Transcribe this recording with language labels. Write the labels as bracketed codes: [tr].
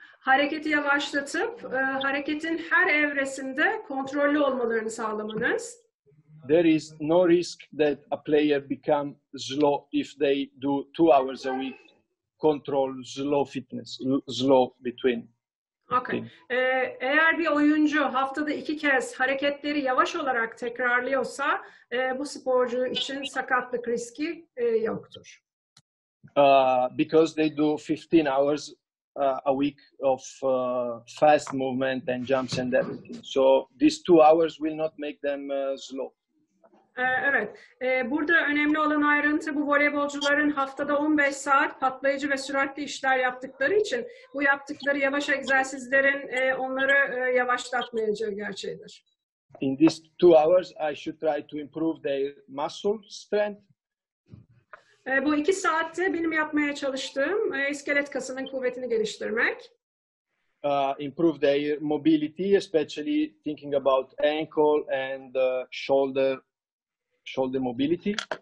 [tr] Hareketi yavaşlatıp hareketin her evresinde kontrollü olmalarını sağlamanız. [en] There is no risk that a player become slow if they do 2 hours a week control slow fitness, slow between. Okay. [tr] Eğer bir oyuncu haftada 2 kez hareketleri yavaş olarak tekrarlıyorsa, bu sporcu için sakatlık riski yoktur. [en] Because they do 15 hours a week of fast movement and jumps and everything. So these 2 hours will not make them slow. [tr] Evet. Burada önemli olan ayrıntı bu voleybolcuların haftada 15 saat patlayıcı ve süratli işler yaptıkları için bu yaptıkları yavaş egzersizlerin onları yavaşlatmayacağı gerçeğidir. [en] In these 2 hours I should try to improve their muscle strength. [tr] Bu 2 saatte benim yapmaya çalıştığım iskelet kasının kuvvetini geliştirmek. [en] Improve their mobility, especially thinking about ankle and shoulder mobility.